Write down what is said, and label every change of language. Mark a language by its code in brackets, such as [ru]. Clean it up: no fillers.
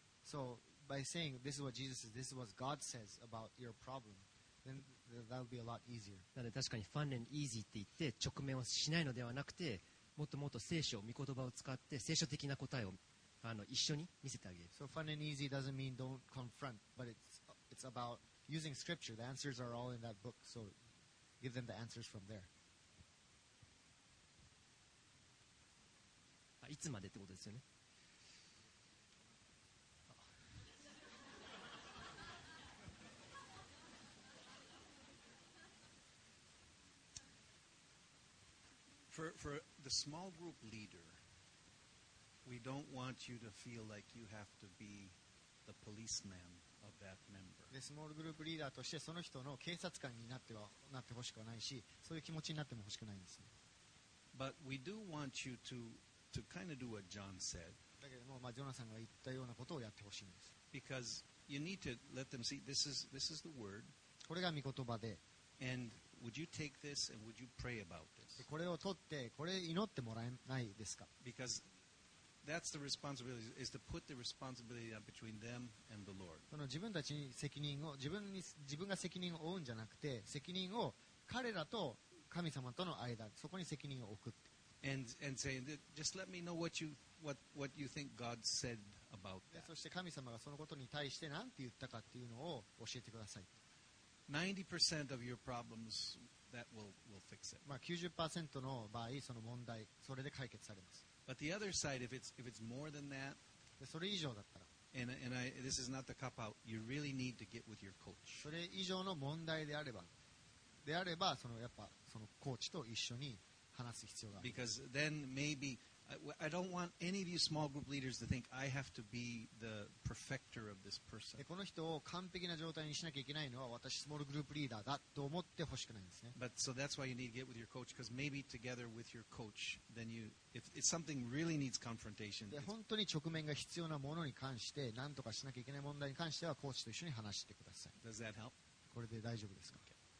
[en] Soby saying this is what Jesus says, this is what God says about your problem, then that would be a lot easier. [ja] なので確かに [en] fun and easy [ja] って言って直面をしないのではなくて、もっともっと聖書、御言葉を使って聖書的な答えを一緒に見せてあげる。 [en] So fun and easy doesn't mean don't confront, but it's about using scripture. The answers are all in that book, so give them the answers from there. [ja] いつまでってことですよね。 [en] For the small group leader, we don't want you to feel like you have to be the policeman of that member. The small group leader [ja] としてその人の警察官になってはなってほしくはないし、そういう気持ちになってもほしくないんですね。 [en] But we do want you to kind of do what John said. [ja] だけども、まあ、ジョナさんが言ったようなことをやってほしいんです。 [en] Because you need to let them see this is the word. [ja] これが御言葉で。 [en] And would you take this and would you pray about this? [ja] これを取ってこれ祈ってもらえないですか? [en] Because that's the responsibility is to put the responsibility between them and the Lord. [ja] その自分たちに責任を自分が責任を負うんじゃなくて責任を彼らと神様との間そこに責任を置くって。 [en] And saying just let me know what you think God said about that. [ja] そして神様がそのことに対して何て言ったかっていうのを教えてください。 [en] 90% of your problems that will fix it. [ja] まあ 90% の場合その問題それで解決されます。 [en] But the other side, if it's more than that, [ja] それ以上だったら、 [en] and I, this is not the cop out. You really need to get with your coach. [ja] それ以上の問題であれば、そのやっぱそのコーチと一緒に話す必要がある。 [en] Because then maybe I don't want any of you small group leaders to think I have to be the perfecter of this person. [ja] この人を完璧な状態にしなきゃいけないのは私スモールグループリーダーだと思ってほしくないんですね。 [en] But so that's why you need to get with your coach because maybe together with your coach, then you if something really needs confrontation. [ja] 本当に直面が必要なものに関して何とかしなきゃいけない問題に関してはコーチと一緒に話してください。 [en] Does that help? [ja] これで大丈夫ですか? [en] Okay.